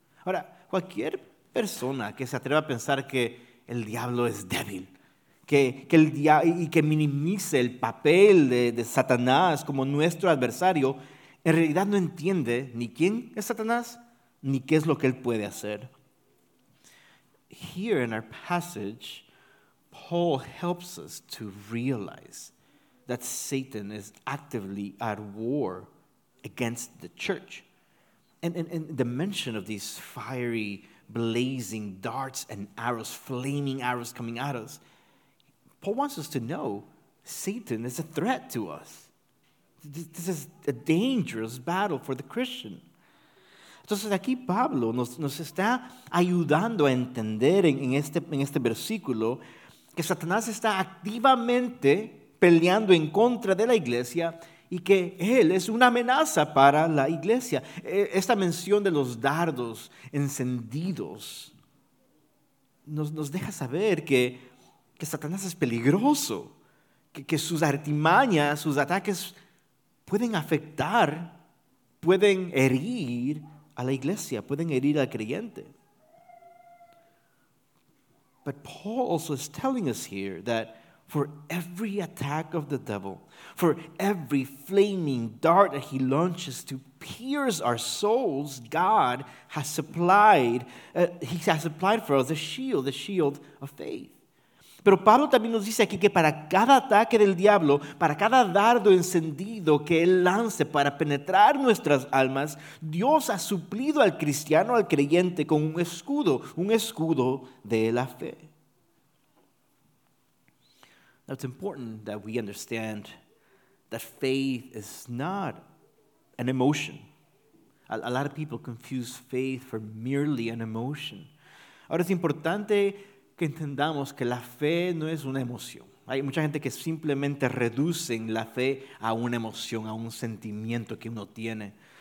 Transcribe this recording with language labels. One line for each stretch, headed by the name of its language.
Spanish: Ahora, cualquier persona que se atreva a pensar que el diablo es débil, que minimice el papel de Satanás como nuestro adversario, en realidad no entiende ni quién es Satanás ni qué es lo que él puede hacer.
English: Here in our passage, Paul helps us to realize that Satan is actively at war against the church. And the mention of these fiery, blazing darts and arrows, flaming arrows coming at us, Paul wants us to know Satan is a threat to us. This is a dangerous battle for the Christian.
Spanish: Entonces aquí Pablo nos está ayudando a entender en este versículo que Satanás está activamente peleando en contra de la iglesia y que él es una amenaza para la iglesia. Esta mención de los dardos encendidos nos deja saber que Satanás es peligroso, que sus artimañas, sus ataques pueden afectar, pueden herir a la iglesia, pueden herir al creyente.
English: But Paul also is telling us here that for every attack of the devil, for every flaming dart that he launches to pierce our souls, God has supplied, for us the shield of faith.
Spanish: Pero Pablo también nos dice aquí que para cada ataque del diablo, para cada dardo encendido que él lance para penetrar nuestras almas, Dios ha suplido al cristiano, al creyente, con un escudo de la fe.
English: Now it's important that we understand that faith is not an emotion. A lot of people confuse faith for merely an emotion.
Spanish: Ahora es importante que entendamos que la fe no es una emoción. Hay mucha gente que simplemente reducen la fe a una emoción, a un sentimiento que uno tiene.